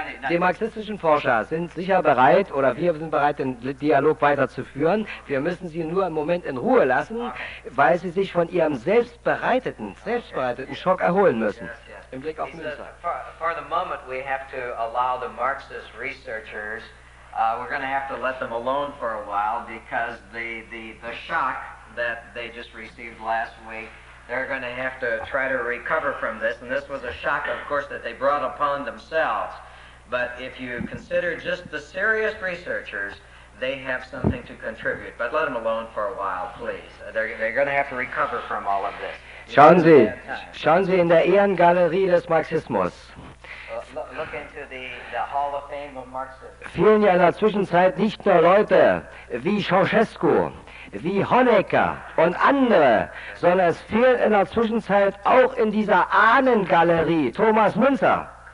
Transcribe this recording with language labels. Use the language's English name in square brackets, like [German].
[German] Die marxistischen Forscher sind sicher bereit, oder wir sind bereit, den Dialog weiterzuführen. Wir müssen sie nur im Moment in Ruhe lassen, weil sie sich von ihrem selbstbereiteten Schock erholen müssen. Im Blick auf Münzer. [English] For the moment we have to allow the Marxist researchers, we're going to have to let them alone for a while, because the shock that they just received last week, they're going to have to try to recover from this. And this was a shock, of course, that they brought upon themselves. But if you consider just the serious researchers, they have something to contribute. But let them alone for a while, please. They're going to have to recover from all of this. [German] Schauen Sie in der Ehrengalerie des Marxismus. [English] Look into the Hall of Fame of Marxism. [German] Fielen ja in der Zwischenzeit nicht nur Leute wie Ceausescu, wie Honecker und andere, sondern es fehlt in der Zwischenzeit auch in dieser Ahnengalerie Thomas Münzer.